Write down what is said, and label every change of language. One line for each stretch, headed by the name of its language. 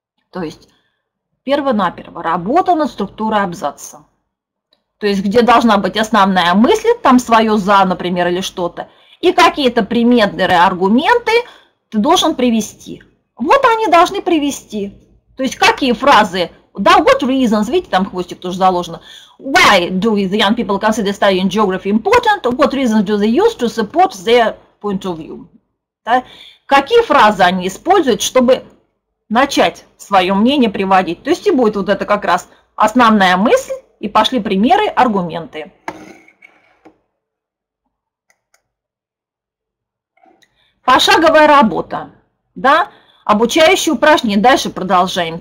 Russian: То есть, перво-наперво, работа над структурой абзаца. То есть, где должна быть основная мысль, там свое «за», например, или что-то. И какие-то примерные аргументы ты должен привести. Вот они должны привести. То есть, какие фразы? Да,
English: what reasons,
Russian: видите, там хвостик тоже заложено.
English: Why do the young people consider studying geography important? What reasons do they use to support their point of view?
Russian: Да? Какие фразы они используют, чтобы начать свое мнение приводить? То есть, и будет вот это как раз основная мысль, и пошли примеры, аргументы. Пошаговая работа, да, обучающие упражнения. Дальше продолжаем.